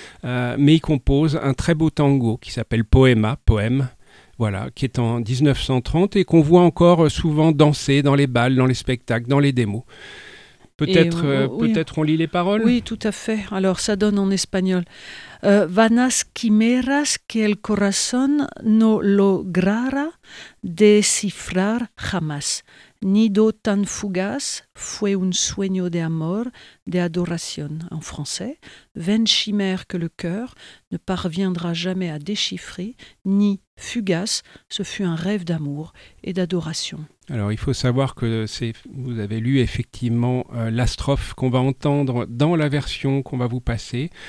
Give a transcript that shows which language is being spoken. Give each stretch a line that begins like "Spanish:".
French: Mais ils composent un très beau tango qui s'appelle Poème. Voilà, qui est en 1930 et qu'on voit encore souvent danser dans les balles, dans les spectacles, dans les démos. Peut-être, on lit les paroles. Oui, tout à fait. Alors, ça donne en espagnol.
Spanish: Vanas quimeras que el corazón no logrará descifrar jamás. Nido tan fugaz fue un sueño de amor, de adoración.
French: En français, vaine chimère que le cœur ne parviendra jamais à déchiffrer, ni fugace, ce fut un rêve d'amour et d'adoration. Alors, il faut savoir que vous avez lu effectivement la strophe qu'on va entendre dans la version qu'on va vous passer.